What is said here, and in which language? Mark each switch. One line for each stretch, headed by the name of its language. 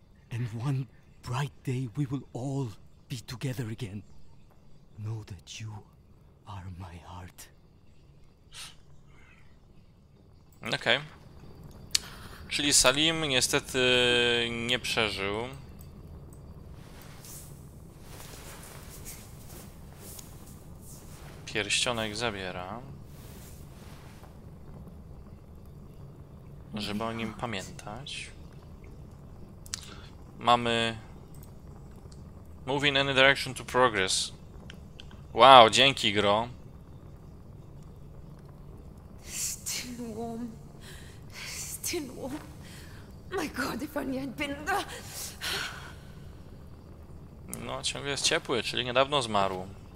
English: And one bright day we will all be together again. Know that you are my heart. Okay.
Polish: Czyli Salim niestety nie przeżył. Pierścionek zabiera. Żeby o nim pamiętać. Mamy...
English: Move in any direction to progress.
Polish: Wow, dzięki, gro.
English: Still warm. My God, if only I'd been there.
Polish: No, ciągle jest ciepły, czyli niedawno zmarł.